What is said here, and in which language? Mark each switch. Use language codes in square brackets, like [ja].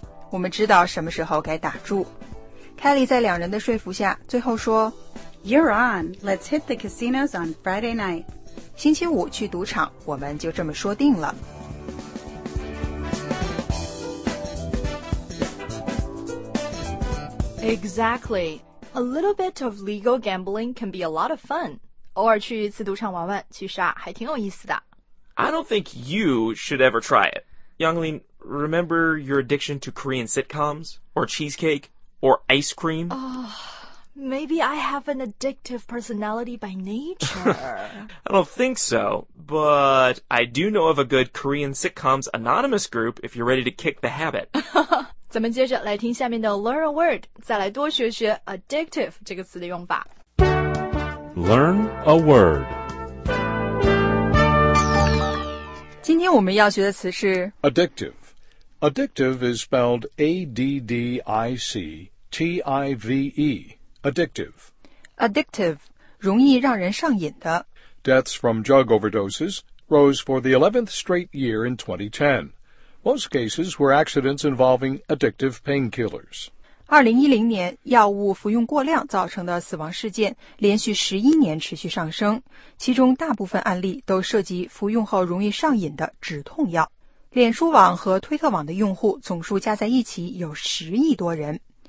[zh] 我们知道什么时候该打住。Kelly 在两人的说服下，最后说 [en] You're on. Let's hit the casinos on Friday night. [zh] 星期五去赌场，我们就这么说定了。 [en] Exactly. A little bit of legal gambling can be a lot of fun. [zh] 偶尔去一次赌场玩玩，其实啊，还挺有意思的。 [en] I don't think you should ever try it. Yanglin, remember your addiction to Korean sitcoms? Or cheesecake? Or ice cream? Maybe I have an addictive personality by nature. I don't think so, but I do know of a good Korean sitcoms anonymous group if you're ready to kick the habit. [zh] 咱们接着来听下面的 Learn a Word, 再来多学学 addictive 这个词的用法。 [en] Learn a Word. [zh] 今天我们要学的词是 [en] addictive. Addictive is spelled A-D-D-I-C-T-I-V-E. Addictive. [zh] Addictive, 容易让人上瘾的。 [en] Deaths from drug overdoses rose for the 11th straight year in 2010. Most cases were accidents involving addictive painkillers. [zh] 2010年药物服用过量造成的死亡事件连续11年持续上升，其中大部分案例都涉及服用后容易上瘾的止痛药。脸书网和推特网的用户总数加在一起有10亿多人。